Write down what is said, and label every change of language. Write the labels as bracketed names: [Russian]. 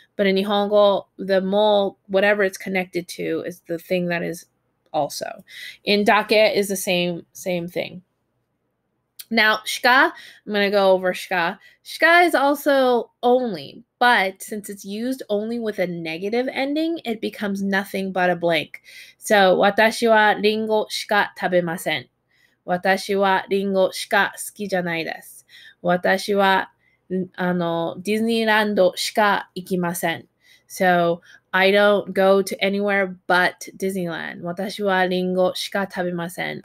[English] But in Nihongo, the mo, whatever it's connected to, is the thing that is also. In dake is the same thing. Now, shika, I'm going to go over shika. Shika is also only, but since it's used only with a negative ending, it becomes nothing but a blank. [Japanese] So, 私はリンゴしか食べません。私はリンゴしか好きじゃないです。私はディズニーランドしか行きません。 [English] So, I don't go to anywhere but Disneyland. [Japanese] 私はリンゴしか食べません。